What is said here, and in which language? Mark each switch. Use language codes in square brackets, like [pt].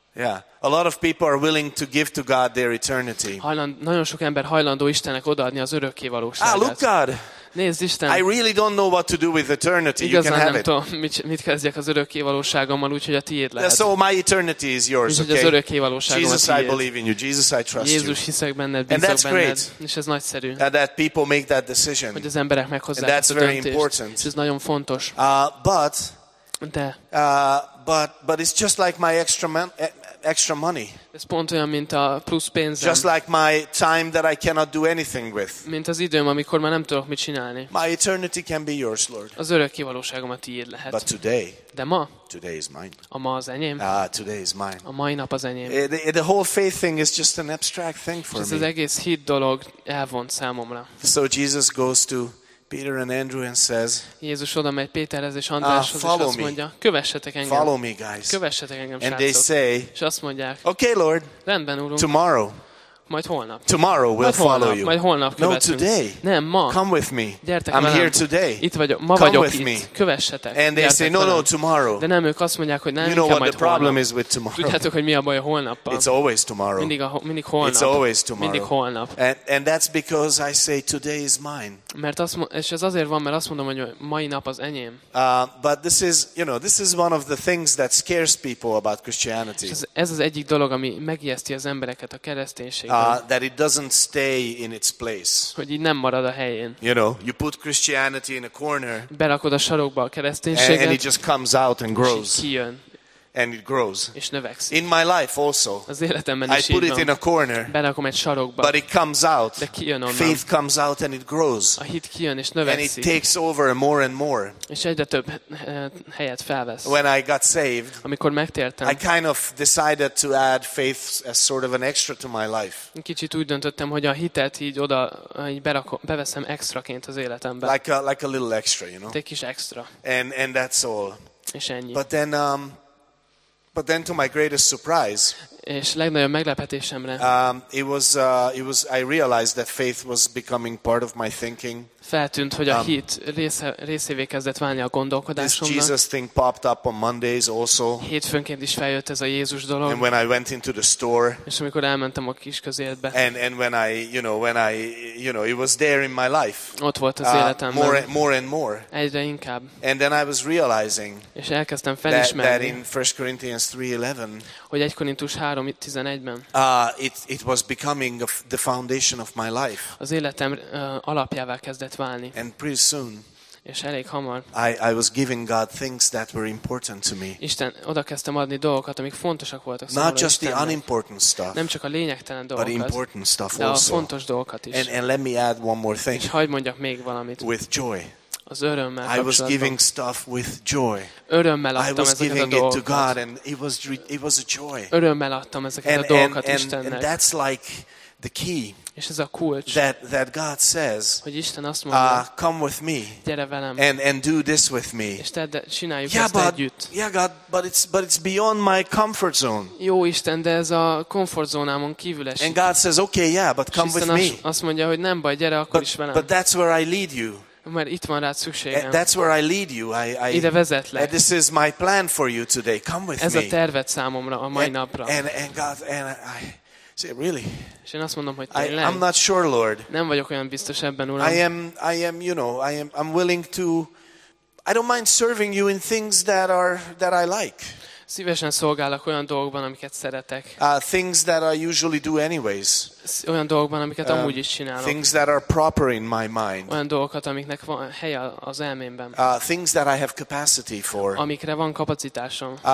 [en] Yeah, a lot of people are willing to give to God their eternity. [hu] Nagyon sok ember hajlandó Istennek odaadni az örökké valóságát. [en] Ah, look, God. [hu] Nézd, Isten. [en] I really don't know what to do with eternity. [hu] Igazán [en] you can have it. [hu] Tudom, mit kezdjek az örökké valóságommal, úgyhogy a tiéd lehet. [en] Yeah, so my eternity is yours, okay? [hu] Az örökké valóságom [en] Jesus, [hu] a tiéd. [en] I believe in you. Jesus, I trust [hu] Jézus, [en] you. [hu] Jézus, hiszek benned, bízok benned. [en] Great. [hu] És ez nagyszerű. [en] And that people make that decision. [hu] Hogy az emberek meghozzák ezt a döntést. [en] Very important. [hu] És ez nagyon fontos. [en] But it's just like my extra money. [hu] Ez pont olyan, mint a plusz pénzem. [en] Just like my time that I cannot do anything with. [hu] Mint az időm, amikor már nem tudok mit csinálni. [en] My eternity can be yours, Lord. [hu] Az örökké valóságom a tiéd lehet. [en] But today. [hu] De ma. [en] Today is mine. [hu] A ma az enyém. [en] Today is mine. [hu] A mai nap az enyém. [en] The whole faith thing is just an abstract thing for me. [hu] Ez az egész hit dolog elvont számomra. [en] So Jesus goes to Peter and Andrew and says, [hu] Jézus oda megy Péterhez és Andráshoz, és azt mondja, kövessetek engem. [en] Follow me, guys. [hu] Kövessetek engem, [en] and [hu] srácok. [en] They say, [hu] és azt mondják, [en] okay, Lord, [hu] rendben, Úrunk. [en] Tomorrow. [hu] Majd holnap. [en] Tomorrow we'll follow you. [hu] Majd holnap követünk. [en] No, today. [hu] Nem, ma. [en] Come with me. [hu] Gyertek [en] I'm here today. [hu] Itt vagyok, ma vagyok itt. Kövessetek. [en] And they say, no, tomorrow. [hu] De nem, ők azt mondják, hogy nem, [en] you know what [hu] majd [en] the problem [hu] holnap. [en] Is with tomorrow. [hu] Tudjátok, hogy mi a baj a holnappal. [en] It's always tomorrow. [hu] Mindig holnap. [en] It's always tomorrow. [hu] Mindig holnap. [en] And that's because I say today is mine. [hu] Mert azt és ez azért van, mert azt mondom, hogy mai nap az enyém. [en] But this is, you know, this is one of the things that scares people about Christianity. [hu] Ez az egyik dolog, ami megijeszti az embereket a kereszténység. [en] That it doesn't stay in its place. [hu] Hogy így nem marad a helyén. [en] You know, you put Christianity in a corner. [hu] Berakod a sarokba a kereszténységet. [en] And it just comes out and grows. [hu] Kijön. [en] And it grows. [hu] És növekszik. [en] In my life also. [hu] Az életemben is így van. [en] I put it in a corner. [hu] Berakom egy sarokba. [en] But it comes out. [hu] De kijön onnan. [en] Faith comes out and it grows. [hu] A hit kijön és növekszik. [en] And it takes over more and more. [hu] És egyre több helyet felvesz. [en] When I got saved. [hu] Amikor megtértem. [en] I kind of decided to add faith as sort of an extra to my life. [hu] Kicsit úgy döntöttem, hogy a hitet így oda így beveszem extraként az életembe. [en] Like a little extra, you know. [hu] Egy kis extra. [en] And that's all. [hu] És ennyi. [en] But then But then to my greatest surprise, [hu] és legnagyobb meglepetésemre, [en] it was I realized that faith was becoming part of my thinking. [hu] Feltűnt, hogy a hit részévé kezdett válni a gondolkodásomnak. [en] This Jesus thing popped up on Mondays also. [hu] Hétfőnként is feljött ez a Jézus dolog. [en] And when I went into the store, [hu] és amikor elmentem a kisközértbe. [en] And when I it was there in my life. [hu] Ott volt az életemben. [en] More and more. [hu] Egyre inkább. [en] And then I was realizing. [hu] És elkezdtem felismerni. [en] That in 1 Corinthians 3:11. [hu] Hogy 1 Korintus 3:11-ben. [en] It was becoming the foundation of my life. [hu] Az életem alapjává kezdett. [en] And pretty soon, [hu] és elég hamar, [en] I was giving God things that were important to me. [hu] Isten, oda kezdtem adni dolgokat, amik fontosak voltak számomra. [en] Not just the unimportant stuff, [hu] nem csak a lényegtelen dolgokat, [en] but important stuff [hu] de a fontos dolgokat is. [en] And let me add one more thing. [hu] És hagyd mondjak még valamit. [en] With joy. [hu] Az örömmel. [en] I was giving stuff with joy. [hu] Örömmel adtam [en] I was giving it to God, and it was a joy. [hu] Örömmel adtam ezeket a dolgokat Istennek. [en] And that's like the key. [hu] És ez a kulcs, [en] that God says, [hu] hogy Isten azt mondja, [en] come with me, [hu] gyere velem, [en] and do this with me. [hu] És tedd, csináljuk [en] yeah, [hu] ezt [en] but, [hu] együtt. [en] Yeah, God, but it's beyond my comfort zone. [hu] Jó Isten, de ez a komfortzónámon kívül esik. [en] And God says, okay, yeah, but come with me. [hu] Azt mondja, hogy nem baj, gyere akkor is velem. [en] But that's where I lead you. [hu] Mert itt van rád szükségem. [en] That's where I lead you. I [hu] ide vezetlek. [en] This is my plan for you today. Come with [hu] ez [en] me. [hu] Ez a terved számomra a mai napra. [en] And God, and I say, really? [hu] És én azt mondom, hogy tényleg. [en] I'm not sure, Lord. [hu] Nem vagyok olyan biztos ebben, Uram. [en] I'm willing to, I don't mind serving you in things that I like. [hu] Szívesen szolgálok olyan dolgokban, amiket szeretek. [en] Things that I usually do anyways. [hu] Olyan dolgokban, amiket amúgy is csinálok. [en] Things that are proper in my mind. [hu] Olyan dolgokat, amiknek van hely az elmémben. [en] Things that I have capacity for. [hu] Amikre van kapacitásom.